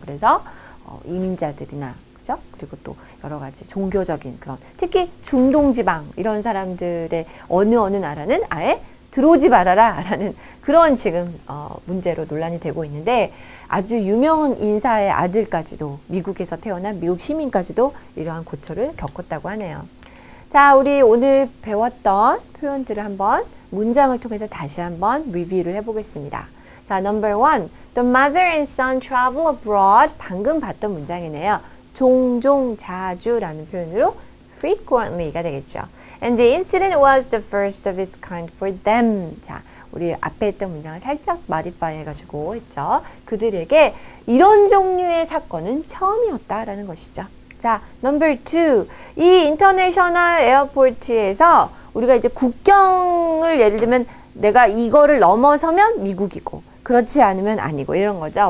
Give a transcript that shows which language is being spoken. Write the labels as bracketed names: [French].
[Korean] 그래서 이민자들이나 그리고 또 여러 가지 종교적인 그런 특히 중동 지방 이런 사람들의 어느 나라는 아예 들어오지 말아라 라는 그런 지금 문제로 논란이 되고 있는데 아주 유명한 인사의 아들까지도 미국에서 태어난 미국 시민까지도 이러한 고초를 겪었다고 하네요. 자, 우리 오늘 배웠던 표현들을 한번 문장을 통해서 다시 한번 리뷰를 해보겠습니다. [English] 자, number one, the mother and son travel abroad. [Korean] 방금 봤던 문장이네요. 종종 자주라는 표현으로 frequently가 되겠죠. [English] And the incident was the first of its kind for them. [Korean] 자, 우리 앞에 있던 문장을 살짝 modify 해가지고 있죠. 그들에게 이런 종류의 사건은 처음이었다라는 것이죠. [English] 자, number two. [Korean] 이 인터내셔널 에어포트에서 우리가 이제 국경을 예를 들면 내가 이거를 넘어서면 미국이고 그렇지 않으면 아니고 이런 거죠.